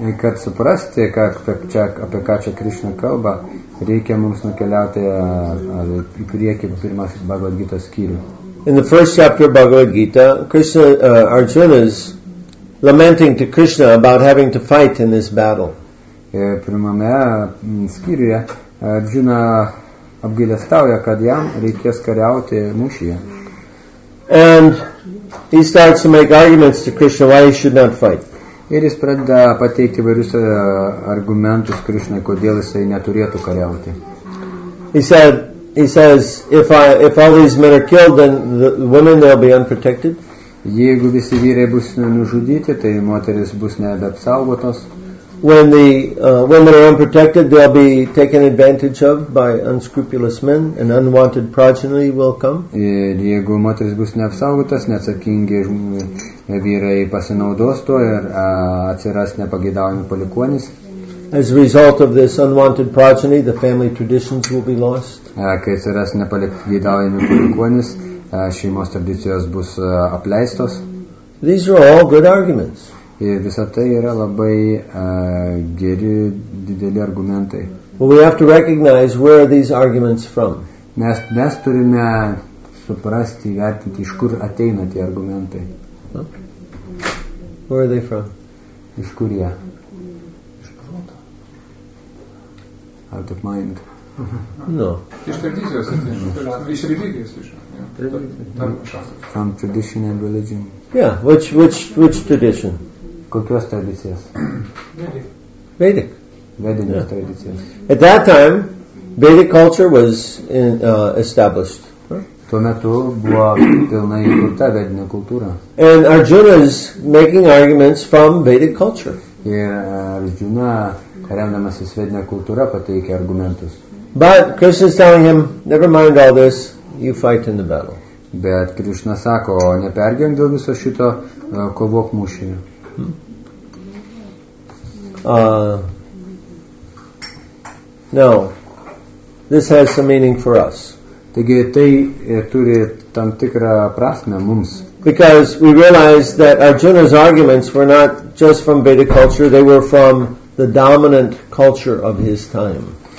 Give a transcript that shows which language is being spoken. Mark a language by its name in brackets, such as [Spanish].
[Lithuanian] Kad suprasti, apie ką čia Krishna kalba, reikia mums nukeliauti į priekį pirmas Bhagavad Gita skyrių. [English] In the first chapter of Bhagavad Gita, Krishna, Arjuna is lamenting to Krishna about having to fight in this battle. [Lithuanian] Pirmame skyriuje Arjuna apgailestauja, kad jam reikės kariauti mūšyje. [English] And he starts to make arguments to Krishna why he should not fight. [Lithuanian] Ir jis pradeda pateikti įvairius argumentus Krishna, kodėl jisai neturėtų kariauti. [English] He says if all these men are killed, then the women will be unprotected. [Lithuanian] Jeigu visi vyrai bus nužudyti, tai moteris bus nebeapsaugotos. [English] When the women are unprotected, they'll be taken advantage of by unscrupulous men, and unwanted progeny will come. [Lithuanian] Ir jeigu moteris bus neapsaugotas, neatsakingi vyrai pasinaudos to ir atsiras nepageidaujami palikuonis. [English] As a result of this unwanted progeny, the family traditions will be lost. [Lithuanian] Kai atsiras nepageidaujami palikuonis, šeimos tradicijos bus apleistos. [English] These are all good arguments. [Lithuanian] Ir visa tai yra labai geri, dideli argumentai. [English] Well, we have to recognize where are these arguments from. [Lithuanian] Mes turime suprasti, vertinti, iš kur ateina tie argumentai. [English] Where are they from? [Lithuanian] Iš kur jie? Iš proto. [English] out of mind. No. From tradition and religion. Yeah, which tradition? [Lithuanian] Kokios tradicijos? [English] Vedic. [Lithuanian] Vedic. Vedic tradicijos. [English] At that time, Vedic culture was established. [Lithuanian] Tuo metu buvo pilnai įkurta vedinė kultūra. [English] And Arjuna is making arguments from Vedic culture. [Lithuanian] Arjuna, remdamasis vedinė kultūra, pateikė argumentus. [English] But Krishna is telling him, never mind all this, you fight in the battle. [Lithuanian] Bet Krishna sako, nepergyvenk dėl viso šito, kovok mūšyje. [English] No, this has some meaning for us. [Lithuanian] Taigi tai turi tam tikrą prasmę mums. [English] Because we realize that Arjuna's arguments were not just from Vedic culture, they were from the dominant culture of his time.